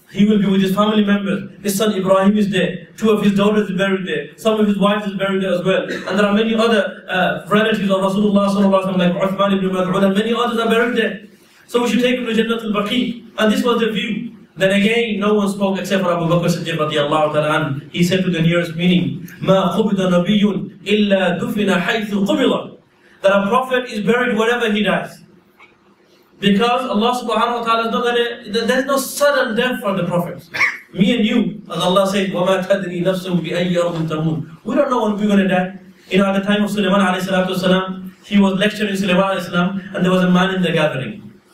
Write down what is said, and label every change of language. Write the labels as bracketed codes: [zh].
[en] He will be with his family members. His son Ibrahim is there. Two of his daughters are buried there. Some of his wives is buried there as well. And there are many other relatives of Rasulullah sallallahu alaihi wasallam, like Uthman ibn Mas'ud, and many others are buried there. So we should take him to Jannat al-Baqi. And this was the view. Then again, no one spoke except for Abu Bakr Siddiq radiallahu ta'ala an. He said to the nearest meaning, [ar] مَا قُبِدَ نَبِيٌّ إِلَّا دُفِنَ حَيْثُ قُبِلَ. [en] That a prophet is buried wherever he dies. Because Allah subhanahu wa ta'ala, there is no sudden death for the prophets. Me and you, as Allah says, [ar] وَمَا تَدْرِي نَفْسٌ بِأَيِّ أَرْضٍ تَمُونَ. [en] We don't know when we're going to die. You know, at the time of Sulaiman alayhi salatu wasalam, he was lecturing Sulaiman alayhi salam, and there was a man in the gathering.